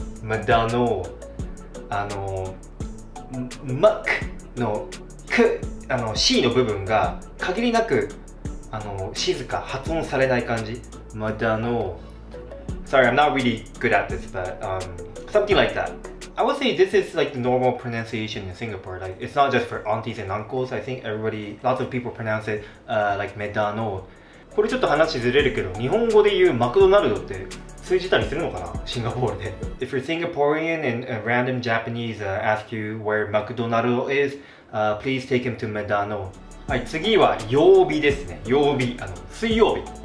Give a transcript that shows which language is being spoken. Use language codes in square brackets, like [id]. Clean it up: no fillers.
[ja] マダノー、マックのク、C の部分が限りなく静か、発音されない感じ。マダノー。 [en] Sorry, I'm not really good at this, but、something like that. I would say this is like the normal pronunciation in Singapore. Like, it's not just for aunties and uncles. I think everybody, lots of people pronounce it、like マダノー。 [ja] これちょっと話ずれるけど、日本語で言うマクドナルドって通じたりするのかな、シンガポールで。 [en] If you're Singaporean and a random Japanese、ask you where マクドナルド is、please take him to Medano。 [ja] はい、次は曜日ですね。曜日、水曜日。